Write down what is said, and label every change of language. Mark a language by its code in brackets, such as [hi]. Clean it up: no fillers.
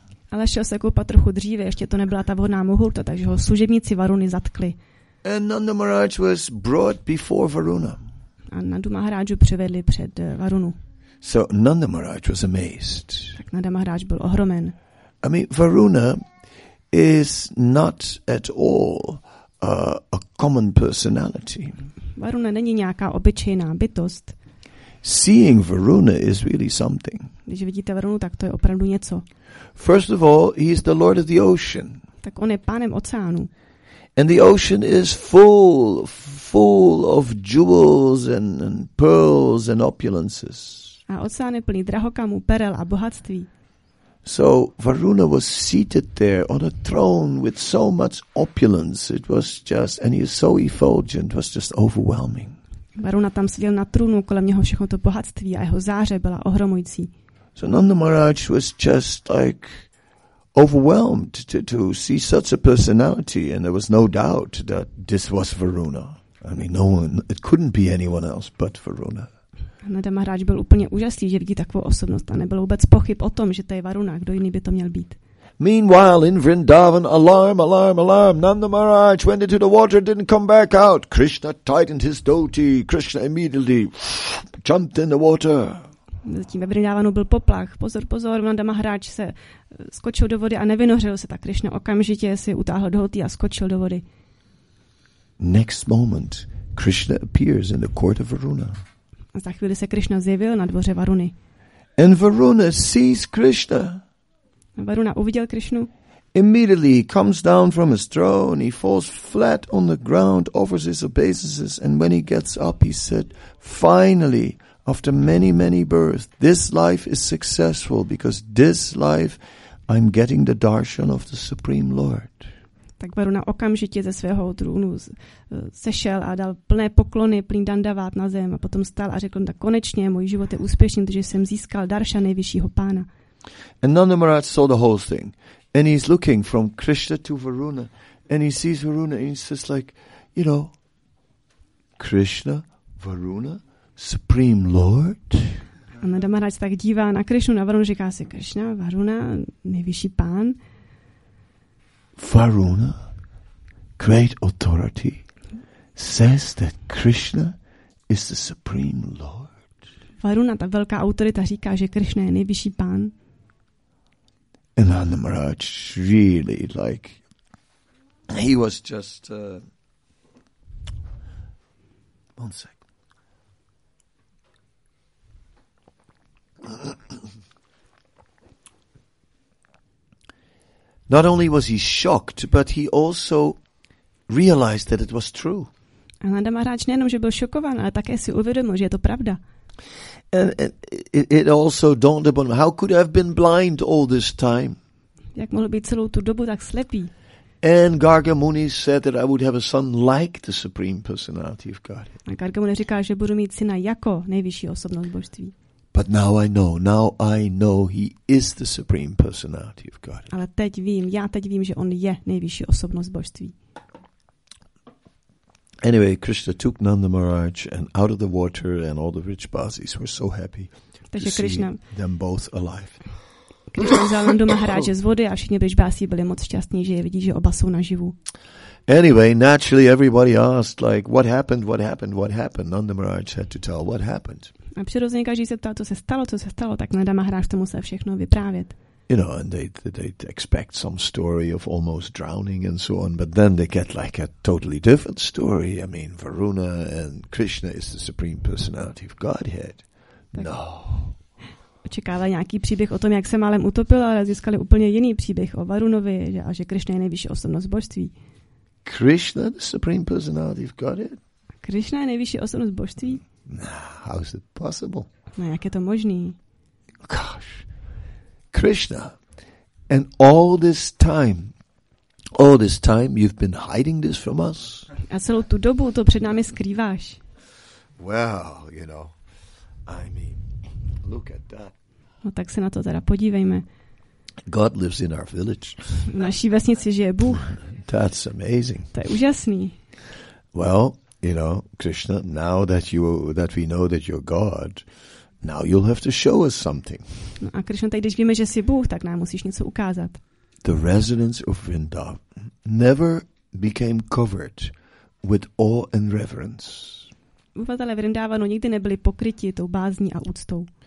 [cs] Ale šel se koupat trochu dříve, ještě to nebyla ta vhodná muhurta, takže ho služebníci Varuny zatkli. [en] And Nanda Maharaj was brought before Varuna. [cs] A Nandu Maharaju přivedli před Varunu. [en] So Nanda Maharaj was amazed. [cs] Tak Nanda Maharaj byl ohromen. [en] I mean, Varuna is not at all a common personality. [cs] Varuna není nějaká obyčejná bytost. [en] Seeing Varuna is really something. [cs] Když vidíte Varunu, tak to je opravdu něco. [en] First of all, he is the lord of the ocean. [cs] Tak on je pánem oceánu. [en] And the ocean is full of jewels and pearls and opulences. [cs] A oceán je plný drahokamů, perel a bohatství. [en] So Varuna was seated there on a throne with so much opulence. It was just, and he is so effulgent, was just overwhelming. [cs] Varuna tam seděl na trůnu, kolem něho všechno to bohatství a jeho záře byla ohromující. [en] So Nanda Maharaj was just like overwhelmed to see such a personality, and there was no doubt that this was Varuna. I mean, no one, it couldn't be anyone else but Varuna. [cs] Nanda Maharaj byl úplně úžasný, že vidí takovou osobnost a nebylo vůbec pochyb o tom, že to je Varuna, kdo jiný by to měl být. [en] Meanwhile, in Vrindavan, alarm, alarm, alarm. Nanda Maharaj went into the water, didn't come back out. Krishna tightened his dhoti. Krishna immediately jumped in the water. [cs] Zatím ve Vrindavanu byl poplach. Pozor, pozor, Nanda Maharaj se skočil do vody a nevynořil se. Tak Krishna okamžitě si utáhl dhoti a skočil do vody. [en] Next moment, Krishna appears in the court of Varuna. [cs] A za chvíli se Krishna zjevil na dvoře Varuny. [en] And Varuna sees Krishna. [cs] Varuna uviděl Krishnu. [en] Immediately he comes down from his throne, he falls flat on the ground, offers his obeisances, and when he gets up, he said, finally, after many, many births, this life is successful, because this life I'm getting the darshan of the Supreme Lord. [cs] Tak Varuna okamžitě ze svého trůnu sešel a dal plné poklony, plný dandavát na zem a potom stál a řekl, tak konečně můj život je úspěšný, protože jsem získal darshan nejvyššího pána. [en] And Nanda Maharaj saw the whole thing, and he's looking from Krishna to Varuna, and he sees Varuna, and he's just like, you know, Krishna, Varuna, Supreme Lord. [cs] A Nanda Maharaj tak dívá na Krishnu, na Varunu, říká si, Krishna, Varuna, nejvyšší pán. [en] Varuna, great authority, says that Krishna is the Supreme Lord. [cs] Varuna, ta velká autorita, říká, že Krishna je nejvyšší pán. [en] And Nanda Maharaj really, like, he was just, one sec. Not only was he shocked, but he also realized that it was true. [cs] A Nanda Maharaj nejenom, že byl šokován, ale také si uvědomil, že je to pravda. [en] It also dawned upon him, how could I have been blind all this time? [cs] Jak mohl být celou tu dobu tak slepý? [en] And Garga Muni said that I would have a son like the Supreme Personality of Godhead. [cs] A Garga Muni říká, že budu mít syna jako nejvyšší osobnost božství. [en] But now I know he is the Supreme Personality of Godhead. [cs] Ale teď vím, já teď vím, že on je nejvyšší osobnost božství. [en] Anyway, Krishna took Nanda Maharaj and out of the water and all the rich bhasis were so happy Krishna, to see them both alive. [cs] Krishna vzal Nandu Maharaje z vody a všichni rich bhasi byli moc šťastní, že je vidí, že oba jsou naživu. [en] Anyway, naturally everybody asked like what happened? Nanda Maharaj had to tell what happened. [cs] A přirozeně každý se ptal, co se stalo, tak Nanda Maharaj to musel všechno vyprávět. [en] You know, and they expect some story of almost drowning and so on, but then they get like a totally different story. I mean, Varuna and Krishna is the Supreme Personality of Godhead. [cs] Tak. No. Očekávali nějaký příběh o tom, jak se málem utopil, ale získali úplně jiný příběh o Varunovi a že Krishna je nejvyšší osobnost božství. [en] Krishna, the Supreme Personality of Godhead? [cs] Krishna je nejvyšší osobnost božství? [en] No, how is it possible? [cs] No, jak je to možný? [en] Gosh. Krishna, and all this time you've been hiding this from us. [cs] A celou tu dobu to před námi skrýváš. [en] Well, you know, I mean, look at that. [cs] No tak se na to teda podívejme. [en] God lives in our village. [cs] V naší vesnici žije Bůh. [en] That's amazing. [cs] To je úžasný. [en] Well, you know, Krishna, now that we know that you're God, now you'll have to show us something. [cs] No a Krishna, teď, když víme, že jsi Bůh, tak nám musíš něco ukázat. [en] The residents of Vrindavan never became covered with awe and reverence. [cs] Obyvatelé Vrindávanu nikdy nebyli pokryti tou bázní a úctou.